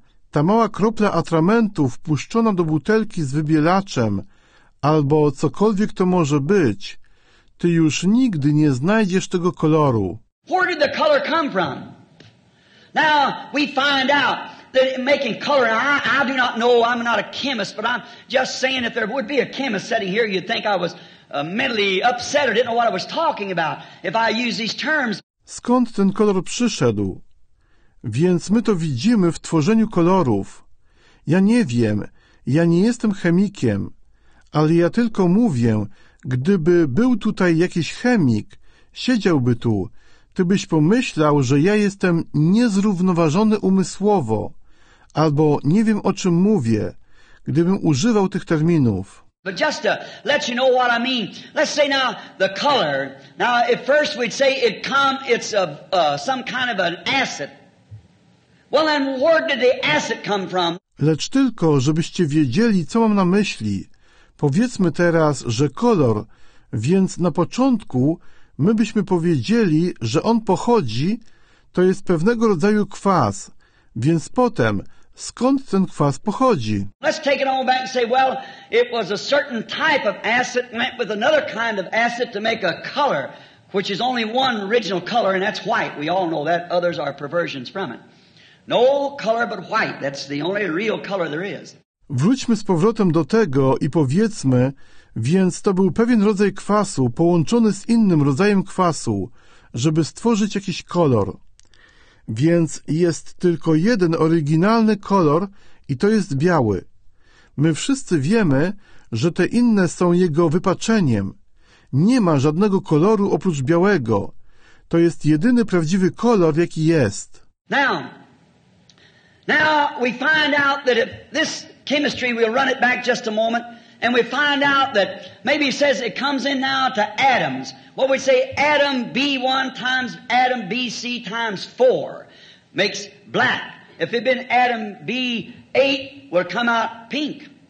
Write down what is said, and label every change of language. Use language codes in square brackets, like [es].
[pl] Ta mała kropla atramentu wpuszczona do butelki z wybielaczem, albo cokolwiek to może być, ty już nigdy nie znajdziesz tego koloru. [en] Where did the color come from? Now we find out that making color, I do not know, I'm not a chemist, but I'm just saying if there would be a chemist sitting here, you'd think I was mentally upset or didn't know what I was talking about if I use these terms. [pl] Skąd ten kolor przyszedł? Więc my to widzimy w tworzeniu kolorów. Ja nie wiem, ja nie jestem chemikiem, ale ja tylko mówię, gdyby był tutaj jakiś chemik, siedziałby tu, ty byś pomyślał, że ja jestem niezrównoważony umysłowo, albo nie wiem, o czym mówię, gdybym używał tych terminów. [en] But just to let you know what I mean, let's say now the color. Now at first we'd say it's some kind of an acid. Well then, where did the acid come from? [pl] Lecz tylko, żebyście wiedzieli, co mam na myśli. Powiedzmy teraz, że kolor, więc na początku my byśmy powiedzieli, że on pochodzi, to jest pewnego rodzaju kwas, więc potem, skąd ten kwas pochodzi? [en] Let's take it on back and say, well, it was a certain type of acid met with another kind of acid to make a color, which is only one original color, and that's white. We all know that. Others are perversions from it. No color but white. That's the only real color there is. [pl] Wróćmy z powrotem do tego i powiedzmy, więc to był pewien rodzaj kwasu połączony z innym rodzajem kwasu, żeby stworzyć jakiś kolor. Więc jest tylko jeden oryginalny kolor i to jest biały. My wszyscy wiemy, że te inne są jego wypaczeniem. Nie ma żadnego koloru oprócz białego. To jest jedyny prawdziwy kolor, jaki jest. [en] Now we find out that if this chemistry, we'll run it back just a moment, and we find out that maybe it says it comes in now to atoms. Well, we say atom B1 times atom BC times 4 makes black. If it'd been atom B8, it would come out pink.